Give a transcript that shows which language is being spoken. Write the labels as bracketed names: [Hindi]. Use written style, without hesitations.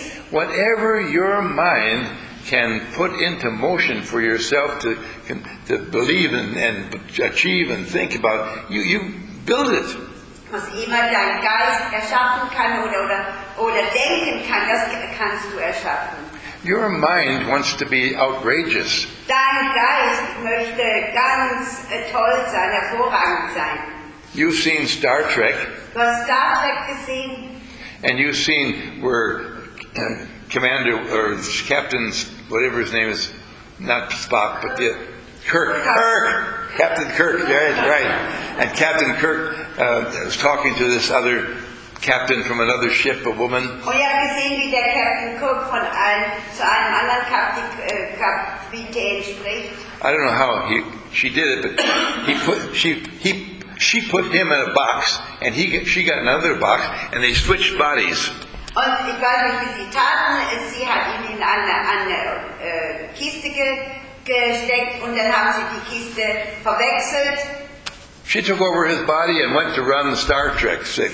[English] Whatever your mind can put into motion for yourself to believe and achieve and think about, you build it. [German] Was immer dein Geist erschaffen kann oder denken kann, das kannst du erschaffen. [English] Your mind wants to be outrageous. [German] Dein Geist möchte ganz toll sein, hervorragend sein. [English] You've seen Star Trek. [German] Du hast Star Trek gesehen. [English] And you've seen where Commander or Captain, whatever his name is, not Spock, but the Captain Kirk, yeah, right. And Captain Kirk was talking to this other captain from another ship, a woman. Oh yeah, we've seen [German] wie der Captain Kirk von einem anderen Kapitän spricht. [English] I don't know how she did it, but she put him in a box, and she got another box, and they switched bodies. [German] Und ich weiß nicht, wie sie taten. Sie hat ihn in eine Kiste gesteckt und dann haben sie die Kiste verwechselt. [English] She took over his body and went to run the Star Trek ship.